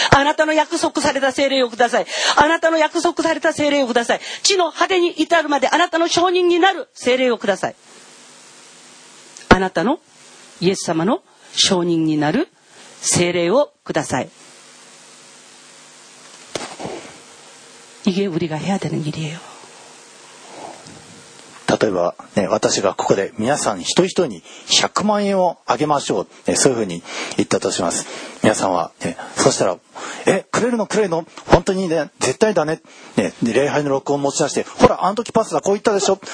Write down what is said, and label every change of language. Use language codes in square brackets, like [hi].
[ja] あなたの約束された聖霊をください。あなたの約束された聖霊をください。地の果てに至るまであなたの証人になる聖霊をください。あなたのイエス様の証人になる聖霊をください。 [ko] 이게우리가해야되는일이에요。 [ja] 例えば、ね、私がここで皆さん一人一人に100万円をあげましょう、ね、そういうふうに言ったとします。皆さんは、ね、そしたらえくれるのくれるの本当にね絶対だ ね礼拝の録音を持ち出してほらあの時パスだこう言ったでしょ。